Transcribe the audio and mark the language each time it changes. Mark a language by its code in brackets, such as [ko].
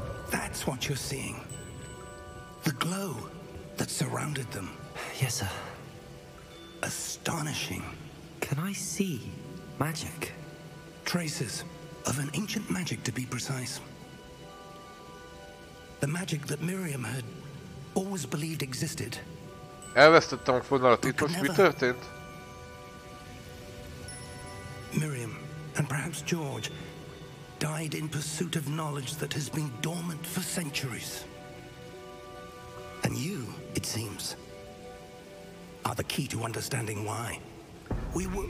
[en] That's what you're seeing. The glow that surrounded them. Yes, sir. Astonishing. Can I see magic? Traces of an ancient magic, to be precise. The magic that Miriam had always believed existed. [hu] Elvesztettem a fonalat, itt most mi történt? [en] Miriam, and perhaps George, died in pursuit of knowledge that has been dormant for centuries. And you, it seems, are the key to understanding why. We were...